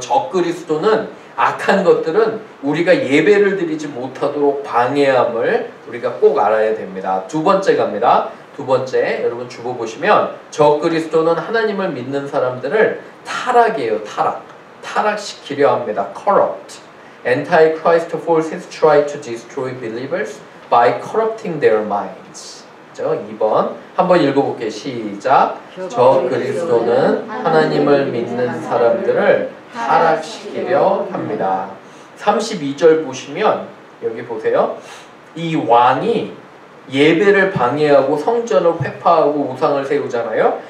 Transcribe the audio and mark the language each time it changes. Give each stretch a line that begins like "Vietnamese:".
Korean: 적그리스도는 악한 것들은 우리가 예배를 드리지 못하도록 방해함을 우리가 꼭 알아야 됩니다. 두 번째 갑니다. 두 번째 여러분 주보 보시면 적그리스도는 하나님을 믿는 사람들을 타락이에요. 타락. 타락시키려 합니다. Corrupt.
English: Antichrist forces try to destroy believers by corrupting their minds.
Korean: 그죠? 2번 한번 읽어볼게요. 시작. 저 그리스도는 하나님을 믿는 사람들을 타락시키려 합니다. 32절 보시면 여기 보세요. 이 왕이 예배를 방해하고 성전을 훼파하고 우상을 세우잖아요.